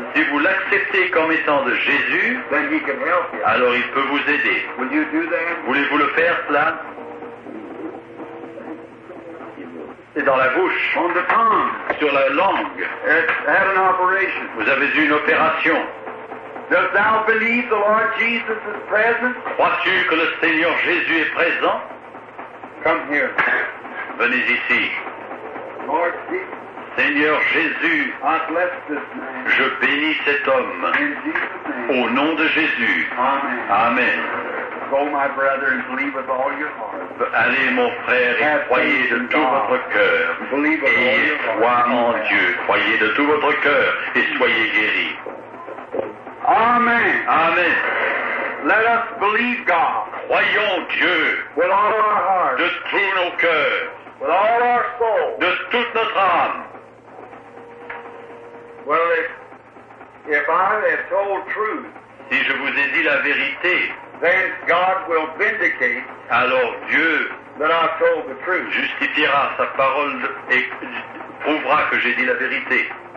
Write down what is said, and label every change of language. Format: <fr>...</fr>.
<fr>si vous l'acceptez comme étant de Jésus,</fr> <en>then he can help you.</en> <fr>Alors il peut vous aider.</fr> <en>Will you do that?</en> <fr>Voulez-vous le faire cela? C'est dans la bouche.</fr> <en>On the tongue.</en> <fr>Sur la langue.</fr> <en>At an operation.</en> <fr>Vous avez eu une opération.</fr> <en>Dost thou believe the Lord Jesus is present?</en> <fr>Crois-tu que le Seigneur Jésus est présent?</fr> <en>Come here.</en> <fr>Venez ici.</fr> <en>Lord Jesus.</en> <fr>Seigneur Jésus.</fr> <en>I bless this man.</en> <fr>Je bénis cet homme.</fr> <en>In Jesus' name.</en> <fr>Au nom de Jésus.</fr> <en>Amen.</en> <fr>Amen.</fr> <en>Go, my brother, and believe with all your heart.</en> <fr>Allez, mon frère, et croyez de tout votre cœur. Ayez foi en Dieu. Croyez de tout votre cœur et soyez guéris.</fr> <en>Amen.</en> <fr>Amen.</fr> <en>Let us believe God.</en> <fr>Croyons Dieu.</fr> <en>With all our heart.</en> <fr>De tout nos cœurs.</fr> <en>With all our soul.</en> <fr>De toute notre âme.</fr> <en>Well, if I have told truth,</en> <fr>si je vous ai dit la vérité,</fr> <en>then God will vindicate.</en> <fr>Alors Dieu</fr> <en>that I told the truth.</en> <fr>Justifiera sa parole et prouvera que j'ai dit la vérité.</fr>